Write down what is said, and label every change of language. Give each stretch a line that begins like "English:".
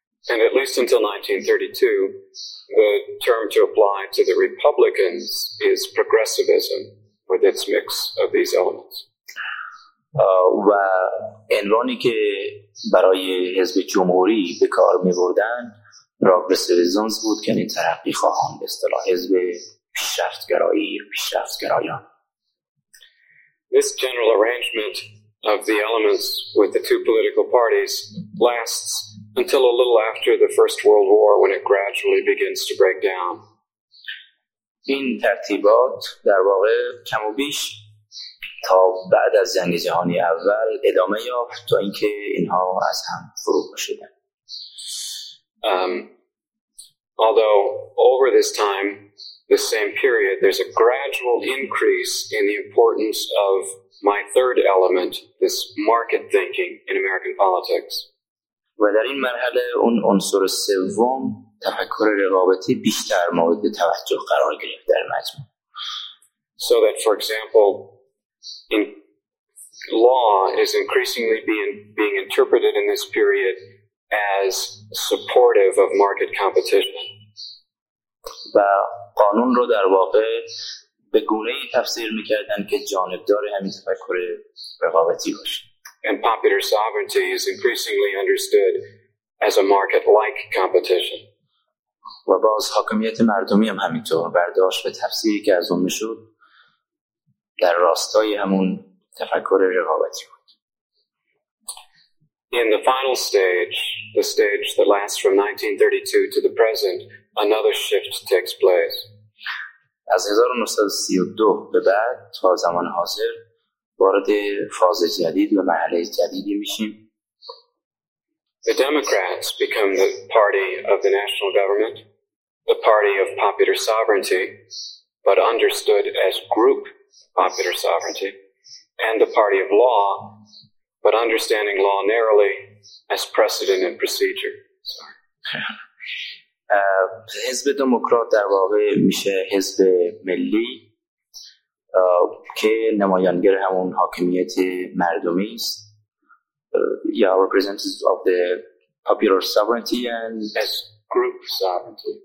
English: And at least until 1932, the term to apply to the Republicans is progressivism, with its mix of these elements.
Persian: و عنوانی که برای حزب جمهوری به کار می‌بردن پروگرسیویسم بود، که این ترقی خواهان به اصطلاح حزب پیشرفتگرایی پیشرفتگرایان.
English: This general arrangement of the elements with the two political parties lasts until a little after the First World War, when it gradually begins to break down.
Persian: این ترتیبات در واقع کم و بیش تا بعد از جنگ جهانی اول ادامه یافت، تا اینکه اینها از هم فرو پاشیدند.
English: Although over this time, this same period, there's a gradual increase in the importance of my third element, this market thinking in American politics.
Persian: و در این مرحله اون عنصر سوم تفکر رقابتی بیشتر مورد توجه قرار گرفت در مجموع.
English: So that, for example, in law is increasingly being interpreted in this period as supportive of market competition.
Persian: و قانون رو در واقع به گونه ای تفسیر میکردن که جانبدار همین تفکر رقابتی باشه.
English: And popular sovereignty is increasingly understood as a market-like competition.
Persian: و باز حاکمیت مردمی هم همینطور برداشت به تفسیری که از اون میشد در راستای همون تفکر رقابتی بود.
English: In the final stage, the stage that lasts from 1932 to the present, another shift takes place.
Persian: از 1932 به بعد تا زمان حاضر وارد فاز جدید و مرحله جدیدی میشیم.
English: The Democrats become the party of the national government, the party of popular sovereignty, but understood as group popular sovereignty, and the party of law, but understanding law narrowly as precedent and procedure.
Persian: حزب دموکرات در واقع میشه حزب ملی که نمایانگر همون حاکمیت مردمی است.
English: Yeah, representatives of the popular sovereignty and as group sovereignty.